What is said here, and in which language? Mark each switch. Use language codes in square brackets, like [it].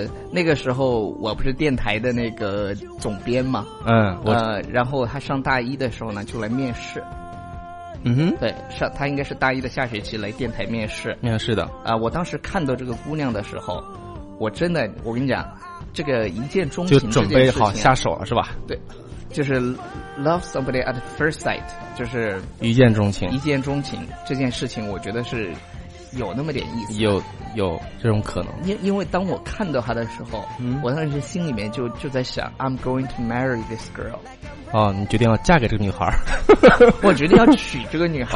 [zh] 那个时候我不是电台的那个总编嘛，嗯，然后他上大一的时候呢就来面试。嗯哼，对，他应该是大一的下学期来电台面试。面试的啊，我当时看到这个姑娘的时候，我真的，我跟你讲，这个一见钟情就准备好下手了，是吧？对，就是 [en] love somebody at first sight， [zh] 就是一见钟情。一见钟情这件事情，我觉得是有那么点意思，有这种可能。因为当我看到她的时候，我当时心里面就在想 ， [en] I'm going to marry this girl。 [zh] 哦，你决定要嫁给这个女孩？我决定要娶这个女孩。